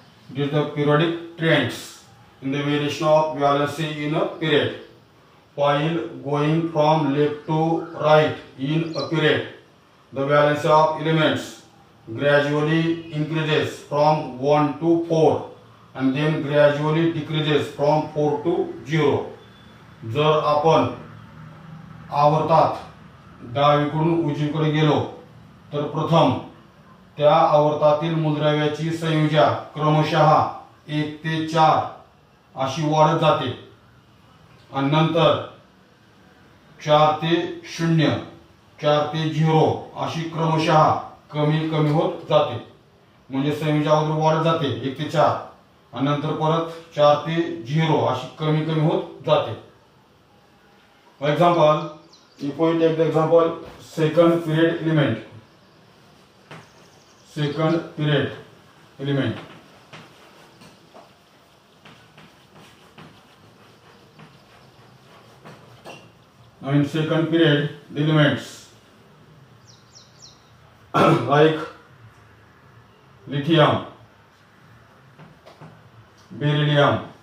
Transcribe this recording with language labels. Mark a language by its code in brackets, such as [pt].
[en] This is the periodic trends in the variation of valency in a period. While going from left to right in a period, the valence of elements gradually increases from 1 to 4 and then gradually decreases from 4 to 0. [mr] जर आपण आवर्तात डावीकडून उजवीकडे गेलो तर प्रथम त्या आवर्तातील मूलद्रव्याची संयुजा क्रमशः 1 ते 4 अशी वाढत जाते आणि नंतर 4 ते 0, 4 ते 0 अशी क्रमशः कमी कमी होत जाते. म्हणजे संयुजा अगोदर वाढत जाते 1 ते 4 आणि नंतर परत 4 ते 0 अशी कमी कमी होत जाते. [en] For example, you point take the example second period element. Second period element now in second period the elements like lithium, beryllium,